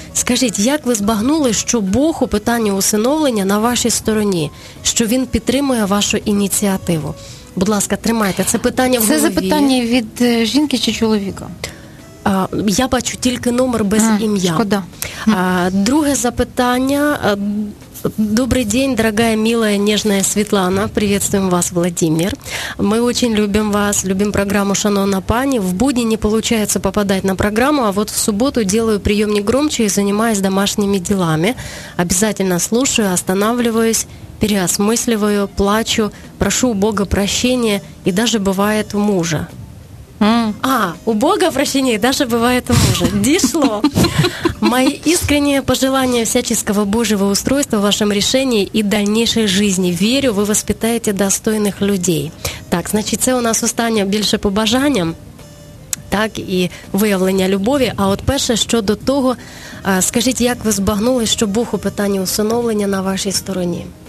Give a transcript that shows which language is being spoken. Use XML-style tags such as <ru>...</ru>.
<uk>Скажіть, як ви збагнули, що Бог у питанні усиновлення на вашій стороні, що Він підтримує вашу ініціативу? Будь ласка, тримайте це питання в голові. Це запитання від жінки чи чоловіка? Я бачу тільки номер без ім'я. Шкода. Друге запитання. Добрий день,</uk> <ru>дорогая, милая, нежная Светлана. Приветствуем вас, Владимир. Мы очень любим вас, любим программу «Шанона Пани». В будни не получается попадать на программу, а вот в субботу делаю приемник громче и занимаюсь домашними делами. Обязательно слушаю, останавливаюсь, переосмысливаю, плачу, прошу у Бога прощения и даже бывает у мужа. У Бога прощения даже бывает у мужа. Дошло. Мои искренние пожелания всяческого Божьего устройства в вашем решении и дальнейшей жизни. Верю, вы воспитаете достойных людей. Так, значит, это у нас останнє больше по бажаниям.</ru> <uk>Так, і виявлення любові. А от перше, щодо того, скажіть, як ви збагнули, що Бог у питанні усиновлення на вашій стороні?</uk>